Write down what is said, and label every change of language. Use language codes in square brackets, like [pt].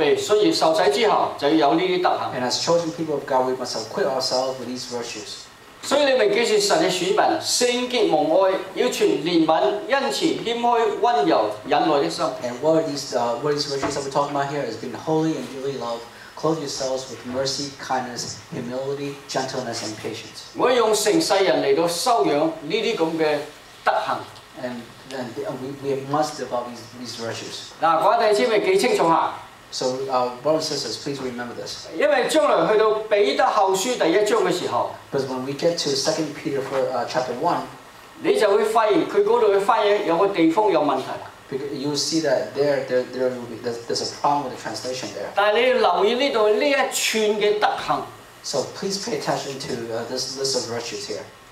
[zh] 身为神的选民,生活上就要具备,所以受洗之后就要有这些德行。 [en] And as chosen people of God, we must acquit ourselves with these virtues. [zh] 所以你们既是神的选民,圣洁蒙爱,要存怜悯,恩慈,谦虚,温柔,忍耐的心。 [en] And what are these virtues that we're talking about here is being holy and really loved. Clothe yourselves with mercy, kindness, humility, gentleness, and patience. [zh] 我用成世人来到修养这些德行。 [en] And we must develop these virtues. [zh] 那各位弟兄姊妹记清楚哈。 [en] So, brothers and sisters, please remember this. [zh] 因为将来去到彼得后书第一章的时候, [en] because when we get to 2 Peter chapter 1, [zh] 你就会发现他那里翻译有个地方有问题。 [en] You will see that there will be, there's a problem with the translation there. [zh] 但你要留意这里这一串的德行。 [en] So please pay attention to this list of virtues here.